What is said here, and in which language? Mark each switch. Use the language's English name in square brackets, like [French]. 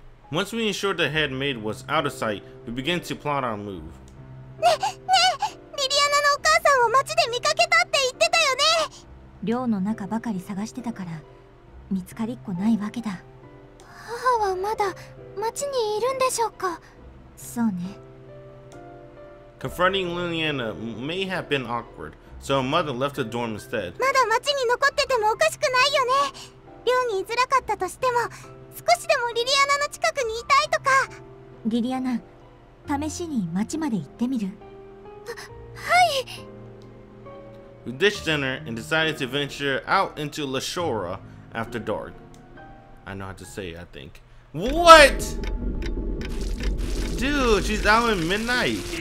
[English] Once we ensured the head maid was out of sight, we began to plot our move. [Japanese] ねえ、リリアナのお母さんを街で見かけたって言ってたよね。寮の中ばかり探してたから見つかりっこないわけだ。母はまだ町にいるんでしょうか？そうね。 [English] Confronting Liliana may have been awkward, so her mother left the dorm instead. [Japanese] まだ町に残っててもおかしくないよね。寮に居づらかったとしても、少しでもリリアナの近くにいたいとか。リリアナ、試しに町まで行ってみる？はい。 [English] We ditched dinner and decided to venture out into Lashora after dark. I know how to say it, I think. What? Dude, she's out at midnight.